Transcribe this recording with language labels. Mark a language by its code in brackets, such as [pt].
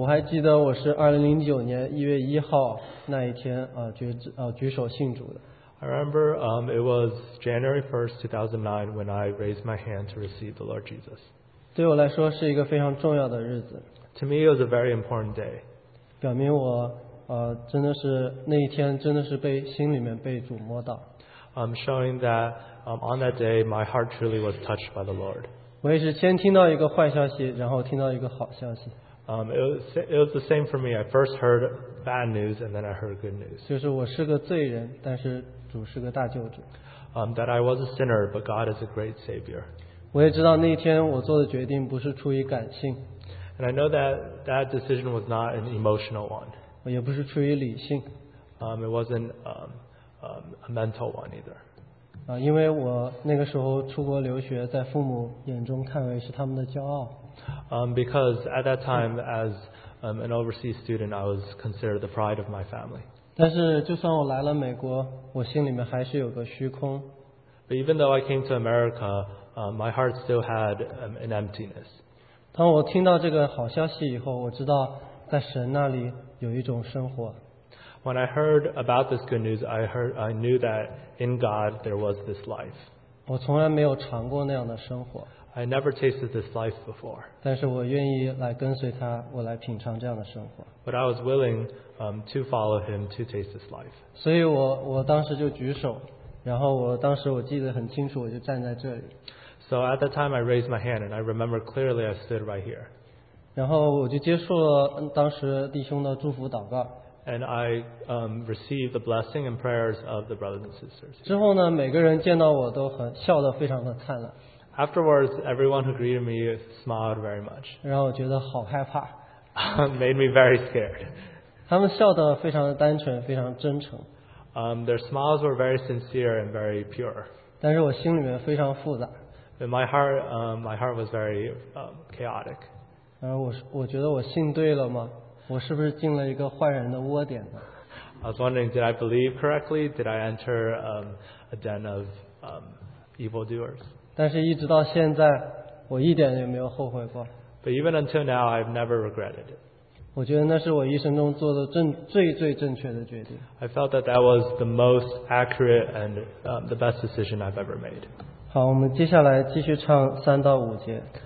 [zh] 记得我是2009年1月1号那一天举手信主的。 [en] I remember it was January 1st, 2009 when I raised my hand to receive the Lord Jesus. [zh] 对我来说是一个非常重要的日子。 [en] To me, it was a very important day. [zh] 表明我真的是那一天真的是被心里面被主摸到。 [en] Showing that on that day, my heart truly was touched by the Lord. [zh] 我也是先听到一个坏消息，然后听到一个好消息。 [en] It was the same for me. I first heard bad news and then I heard good news. [zh] 就是我是个罪人，但是主是个大救主。 [en] That I was a sinner, but God is a great savior. [zh] 我也知道那天我做的决定不是出于感性。 [en] And I know that decision was not an emotional one. [zh] 我也不是出于理性。 [en] It wasn't a mental one either. [zh] 因为我那个时候出国留学，在父母眼中看为是他们的骄傲。 [en] Because at that time, as an overseas student, I was considered the pride of my family. [zh] 但是就算我来了美国，我心里面还是有个虚空。 [en] But even though I came to America, my heart still had an emptiness. [zh] 当我听到这个好消息以后，我知道在神那里有一种生活。 [en] When I heard about this good news, I knew that in God there was this life. [zh] 我从来没有尝过那样的生活。 [en] I never tasted this life before. [zh] 但是我愿意来跟随他，我来品尝这样的生活。 [en] But I was willing to follow him to taste this life. [zh] 所以我当时就举手，然后我当时我记得很清楚，我就站在这里。 [en] So at that time I raised my hand and I remember clearly I stood right here. [zh] 然后我就接受了当时弟兄的祝福祷告。 [en] And I received the blessing and prayers of the brothers and sisters. [zh] 之后呢，每个人见到我都很笑得非常的灿烂。 [en] Afterwards, everyone who greeted me smiled very much. [zh] 然后我觉得好害怕。 [en] Made me very scared. [zh] 他们笑得非常的单纯，非常真诚。 [en] Their smiles were very sincere and very pure. [zh] 但是我心里面非常复杂。 [en] But my heart was very chaotic. [zh] 然后我觉得我信对了吗？我是不是进了一个坏人的窝点呢？ [en] I was wondering, did I believe correctly? Did I enter a den of evildoers? [zh] 但是一直到现在，我一点也没有后悔过。 [en] But even until now, I've never regretted it. [zh] 我觉得那是我一生中做的最最正确的决定。 [en] I felt that was the most accurate and the best decision I've ever made. [zh] 好，我们接下来继续唱三到五节。